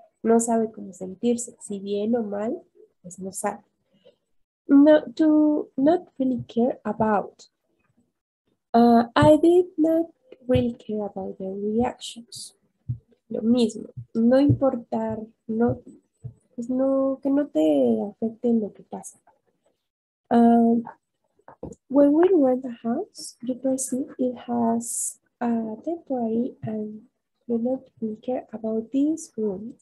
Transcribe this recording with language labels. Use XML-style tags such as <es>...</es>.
<es>No sabe cómo sentirse, si bien o mal, pues no sabe.</es> <en>No, to not really care about. I did not really care about the reactions.</en> <es>Lo mismo, no importar, no, pues no, que no te afecte en lo que pasa.</es> <en>When we rent a house, you perceive it has a temporary and do not really care about this room.</en>